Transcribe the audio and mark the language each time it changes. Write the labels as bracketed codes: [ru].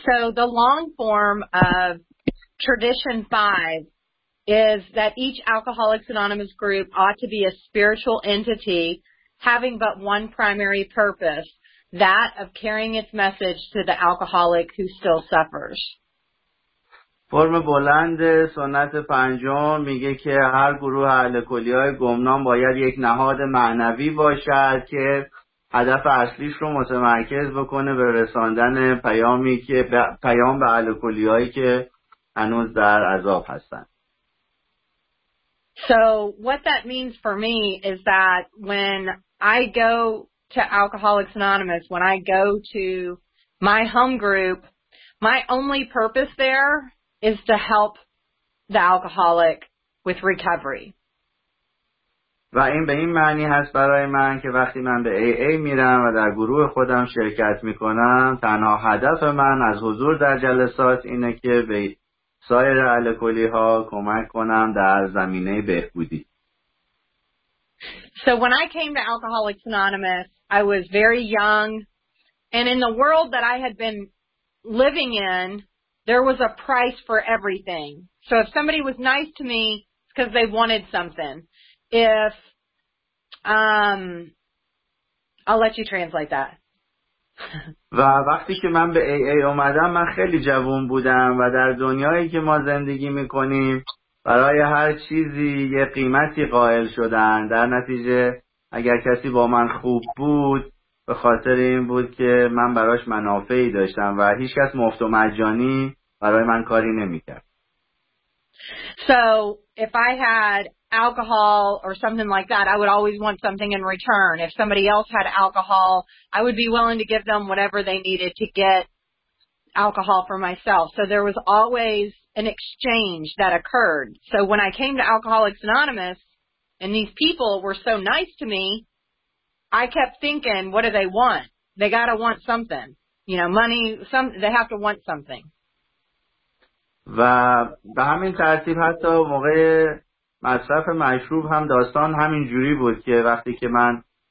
[en] So the long form of Tradition 5 is that each Alcoholics Anonymous group ought to be a spiritual entity having but one primary purpose, that of carrying its message to the alcoholic who still suffers. [fa] فرم بلند سنت پنجم میگه که هر گروه الکلی‌های گمنام باید یک نهاد معنوی باشد که هدف اصلیش رو متمرکز بکنه به رساندن پیامی که پیام به الکلی‌هایی که هنوز در عذاب هستن. [en] So what that means for me is that when I go to Alcoholics Anonymous, when I go to my home group, my only purpose there is to help the alcoholic with recovery. [fa] و این به این معنی هست برای من که وقتی من به AA میرم و در گروه خودم شرکت میکنم، تنها هدف من از حضور در جلسات اینه که به سایر الکلی ها کمک کنم در زمینه بهبودی. [en] So when I came to Alcoholics Anonymous, I was very young, and in the world that I had been living in, there was a price for everything. So if somebody was nice to me, it's because they wanted something. If, I'll let you translate that. [fa] و وقتی که من به AA اومدم، من خیلی جوان بودم و در دنیایی که ما زندگی میکنیم، برای هر چیزی یه قیمتی قائل شدن. در نتیجه اگر کسی با من خوب بود، به خاطر این بود که من براش منافعی داشتم و هیچ کس مفت و مجانی برای من کاری نمی‌کرد. [en] So, if I had alcohol or something like that, I would always want something in return. If somebody else had alcohol, I would be willing to give them whatever they needed to get alcohol for myself. So there was always an exchange that occurred. So when I came to Alcoholics Anonymous and these people were so nice to me, I kept thinking, what do they want? They got to want something. You know, money, some they have to want something. [fa] و به همین ترتیب حتی موقع مصرف مشروب هم داستان همین جوری بود که وقتی که من